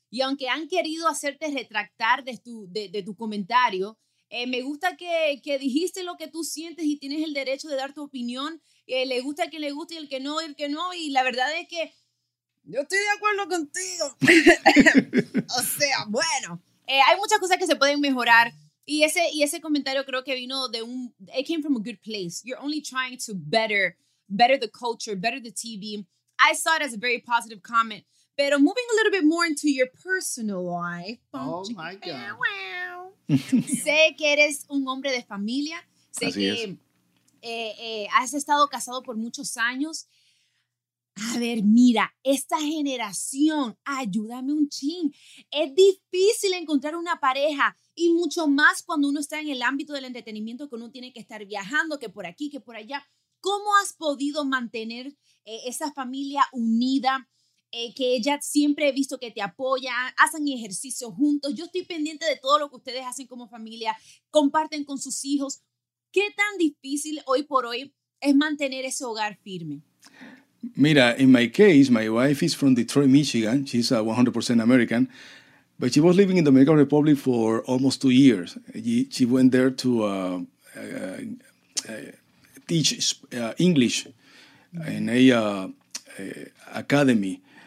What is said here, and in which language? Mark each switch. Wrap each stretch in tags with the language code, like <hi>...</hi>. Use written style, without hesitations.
<es>Y aunque han querido hacerte retractar de tu comentario, me gusta que dijiste lo que tú sientes y tienes el derecho de dar tu opinión. Le gusta a quien le guste y el que no. Y la verdad es que yo estoy de acuerdo contigo. O sea, bueno, hay muchas cosas que se pueden mejorar. Y ese comentario creo que vino de un...</es> <en>It came from a good place. You're only trying to better the culture, better the TV. I saw it as a very positive comment. Pero moving a little bit more into your personal life. Oh, my God.</en> <es>Sé que eres un hombre de familia. Sé Así que es. Has estado casado por muchos años. A ver, mira, esta generación, ayúdame un chin. Es difícil encontrar una pareja, y mucho más cuando uno está en el ámbito del entretenimiento, que uno tiene que estar viajando, que por aquí, que por allá. ¿Cómo has podido mantener esa familia unida? Que ella siempre he visto que te apoya, hacen ejercicio juntos. Yo estoy pendiente de todo lo que ustedes hacen como familia, comparten con sus hijos. ¿Qué tan difícil hoy por hoy es mantener ese hogar firme?</es> <en>Mira, in my case, my wife is from Detroit, Michigan. She's 100% American, but she was living in the Dominican Republic for almost 2 years. She went there to teach English in a academy.</en>